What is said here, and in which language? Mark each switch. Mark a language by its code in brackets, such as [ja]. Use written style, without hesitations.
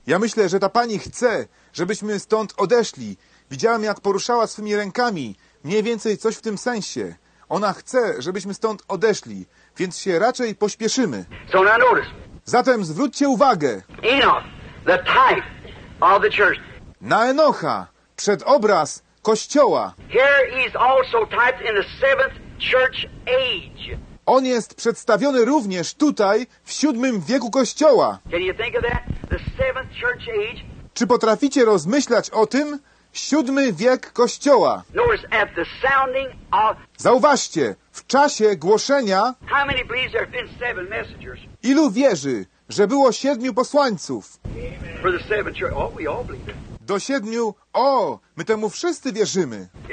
[pl] Ja myślę, że ta pani chce, żebyśmy stąd odeszli. Widziałem, jak poruszała swymi rękami, mniej więcej coś w tym sensie. Ona chce, żebyśmy stąd odeszli, więc się raczej pośpieszymy. [en] So now notice. [pl] Zatem zwróćcie uwagę. [en] Enoch, the type of the church. [pl] Na Enocha, przedobraz Kościoła. [en] Here he's also typed in the seventh church age. [pl] On jest przedstawiony również tutaj w VII wieku Kościoła. [en] Can you think of that? The seventh church age. [pl] Czy potraficie rozmyślać o tym? VII wiek Kościoła. [en] Notice at the sounding of... [pl] Zauważcie, w czasie głoszenia, [en] how many believes there have been seven messengers? [pl] Ilu wierzy, że było siedmiu posłańców? [en] For the seven church... oh, we all believe that. [pl] Do siedmiu, o, my temu wszyscy wierzymy.